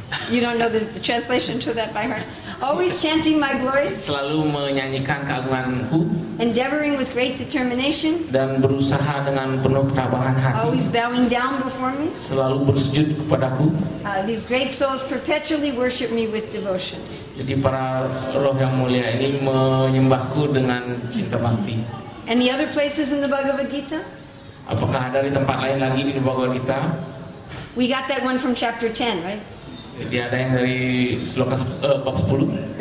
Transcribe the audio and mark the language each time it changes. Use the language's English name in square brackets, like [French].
[English] You don't know the translation to that by heart. Always chanting my glories. [Indonesian] Selalu menyanyikan keagunganku. [English] Endeavoring with great determination. [Indonesian] Dan berusaha dengan penuh ketabahan hati. [English] Always bowing down before me. [Indonesian] Selalu bersujud kepadaku. [English] These great souls perpetually worship me with devotion. [Indonesian] Jadi para roh yang mulia ini menyembahku dengan cinta bakti. [English] Any other places in the Bhagavad Gita? [Indonesian] Apakah ada di tempat lain lagi di Bhagavad Gita? [English] We got that one from chapter 10, right? [Indonesian] Jadi ada yang dari sloka bab 10.